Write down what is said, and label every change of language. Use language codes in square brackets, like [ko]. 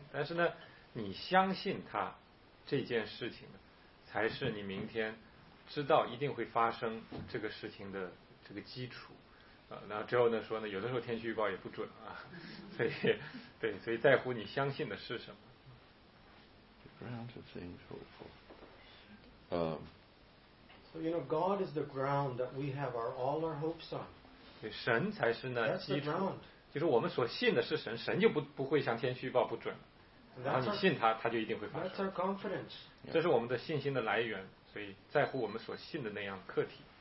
[zh] 但是呢，你相信他这件事情才是你明天知道一定会发生这个事情的这个基础啊。然后之后呢说呢，有的时候天气预报也不准啊，所以对，所以在乎你相信的是什么。 [en] The ground of things hopeful. So you know, God is the ground that we have all our hopes on. [zh] 对，神才是那基础，就是我们所信的是神，神就不会像天气预报不准。然后你信他，他就一定会发生。 [en] That's our confidence. [zh] 这是我们的信心的来源，所以在乎我们所信的那样客体。